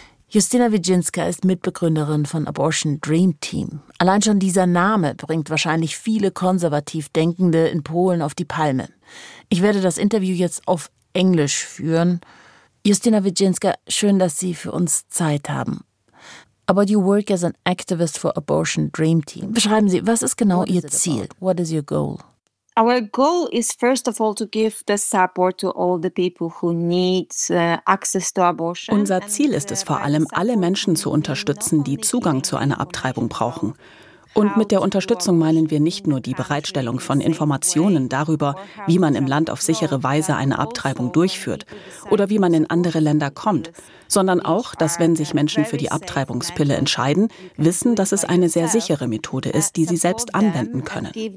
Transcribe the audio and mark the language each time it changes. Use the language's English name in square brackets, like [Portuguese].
[German] Justyna Wyszynska ist Mitbegründerin von Abortion Dream Team. Allein schon dieser Name bringt wahrscheinlich viele konservativ Denkende in Polen auf die Palme. Ich werde das Interview jetzt auf Englisch führen. Justyna Wyszynska, schön, dass Sie für uns Zeit haben. [English] But you work as an activist for Abortion Dream Team. [German] Beschreiben Sie, was ist genau Ihr Ziel? [English] What is your goal? Our goal is first of all to give the support to all the people who need access to abortion. [German] Unser Ziel ist es vor allem, alle Menschen zu unterstützen, die Zugang zu einer Abtreibung brauchen. Und mit der Unterstützung meinen wir nicht nur die Bereitstellung von Informationen darüber, wie man im Land auf sichere Weise eine Abtreibung durchführt oder wie man in andere Länder kommt, sondern auch, dass wenn sich Menschen für die Abtreibungspille entscheiden, wissen, dass es eine sehr sichere Methode ist, die sie selbst anwenden können.